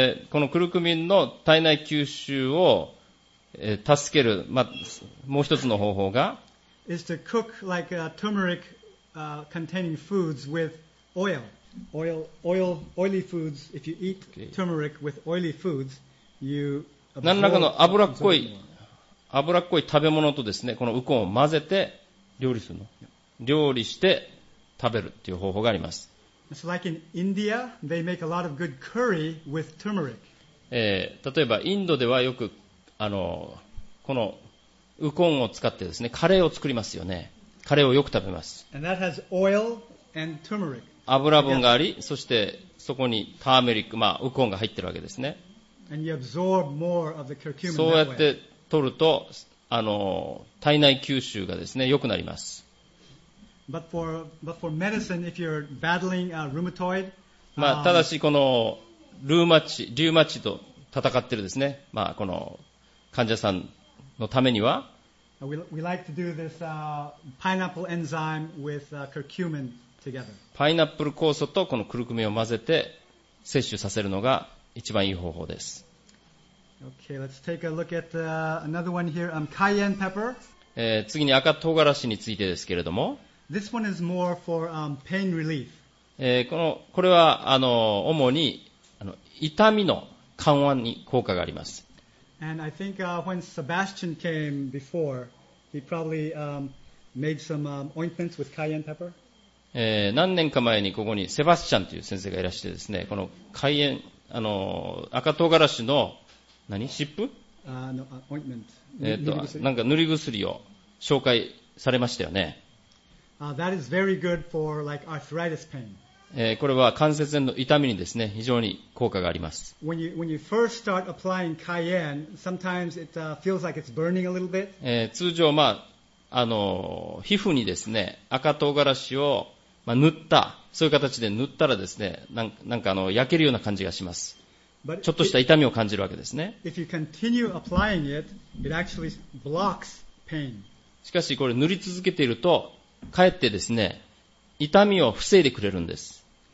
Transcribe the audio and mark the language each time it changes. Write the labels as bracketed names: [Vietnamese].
[Japanese] このクルクミンの体内吸収を助ける、もう一つの方法が、 [English] is to cook like turmeric containing foods with oil. Oily foods. If you eat turmeric with oily foods, you [Japanese] 何らかの脂っこい食べ物とですね、このウコンを混ぜて料理するの、料理して食べるっていう方法があります。 [English] So like in India, they make a lot of good curry with turmeric. [Japanese] 例えばインドではよくこのウコンを使ってですね、カレーを作りますよね。カレーをよく食べます。 [English] And that has oil and turmeric. [Japanese] 油分があり、そしてそこにターメリック、ウコンが入ってるわけですね。 [English] And you absorb more of the curcumin. [Japanese] そうやって取ると体内吸収がですね、良くなります。 [English] But for medicine, if you're battling a rheumatoid, [Japanese] ただしこのリウマチと戦ってるですね、この患者さんのためには、 [English] We like to do this pineapple enzyme with curcumin together. [Japanese] パイナップル酵素とこのクルクミンを混ぜて摂取させるのが一番いい方法です。 [English] Okay, let's take a look at another one here. Cayenne pepper. [Japanese] 次に赤唐辛子についてですけれども、 [English] This one is more for pain relief. [Japanese] これは主に痛みの緩和に効果があります。 [English] And I think when Sebastian came before, he probably made some ointments with cayenne pepper. [Japanese] 何年か前にここにセバスチャンという先生がいらしてですね、このカイエン赤唐辛子の何シップ？ [English] ointment. [Japanese] なんか塗り薬を紹介されましたよね。 [English] That is very good for like arthritis pain. [Japanese] これは関節炎の痛みにですね、非常に効果があります。 [English] When you first start applying cayenne, sometimes it feels like it's burning a little bit. [Japanese] 通常皮膚にですね、赤唐辛子を塗った、そういう形で塗ったらですね、なんか焼けるような感じがします。 [English] But、 [Japanese] ちょっとした痛みを感じるわけですね。 [English] If you continue applying it, it actually blocks pain. [Japanese] しかしこれ塗り続けていると、かえってですね、痛みを防いでくれるんです。